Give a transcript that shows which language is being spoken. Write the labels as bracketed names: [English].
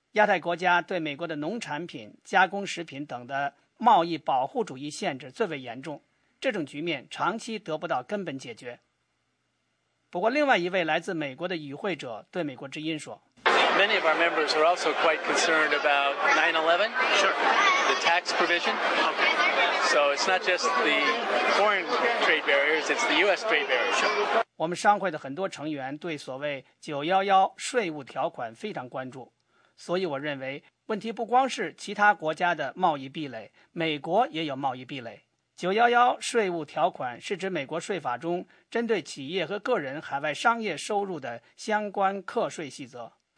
[Chinese] 亚太国家对美国的农产品、加工食品等的贸易保护主义限制最为严重，这种局面长期得不到根本解决。不过另外一位来自美国的与会者对美国之音说， [English] Many of our members are also quite concerned about 9/11, sure. The tax provision. So it's not just the foreign trade barriers, it's the U.S. trade barriers. [Chinese] 我们商会的很多成员对所谓911税务条款非常关注，所以我认为问题不光是其他国家的贸易壁垒，美国也有贸易壁垒。 911税务条款是指美国税法中针对企业和个人海外商业收入的相关课税细则。